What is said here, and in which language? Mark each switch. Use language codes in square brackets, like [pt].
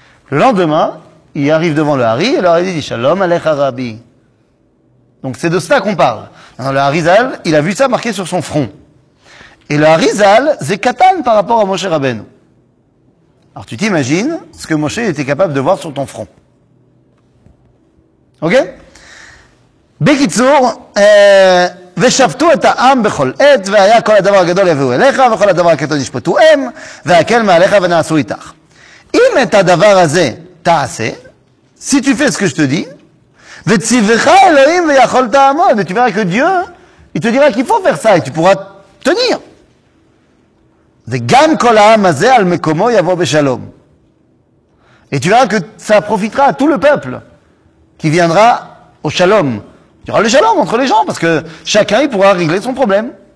[fr] Le lendemain, il arrive devant le Hari, et le Hari dit « Shalom Alecha Rabbi ». Donc c'est de cela qu'on parle. Alors le Harizal, il a vu ça marqué sur son front. Et le Harizal, c'est katan par rapport à Moshe Rabbeinu. Alors tu t'imagines ce que Moshe était capable de voir sur ton front. Ok ? [he] Bekitsour, ושפטו את העם בכל עת, והיה כל הדבר הגדול יביאו אליך, וכל הדבר הקטן ישפטו הם, והקל מעליך ונעשו איתך. אם את הדבר הזה תעשה, [fr] si tu fais ce que je te dis, [he] וציווך אלוהים ויכול תעמוד, [fr] et tu verras que Dieu, il te dira qu'il faut faire ça, et tu pourras tenir. [he] וגם כל העם הזה על מקומו יבוא בשלום. [fr] Et tu verras que ça profitera à tout le peuple, qui viendra au shalom. Il y aura le shalom entre les gens, parce que chacun, il pourra régler son problème.